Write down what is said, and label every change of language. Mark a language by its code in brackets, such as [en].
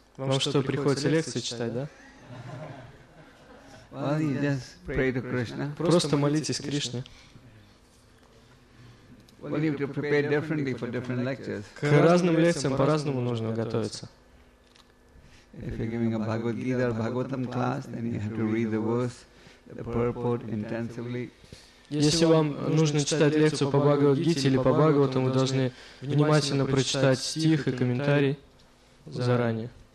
[ru] Вам что, приходится лекции читать, да? [en] Well, you just pray to Krishna. [ru] Просто молитесь Кришне. [en] Well, you have to prepare differently for different lectures. [ru] К разным лекциям по-разному нужно готовиться. [en] If you're giving a Bhagavad Gita or Bhagavatam class, then you have to read the verse, the purport intensively. [ru] Если вам нужно читать лекцию по Бхагавад-гите или по Бхагаватам, вы должны внимательно прочитать стих и комментарий заранее.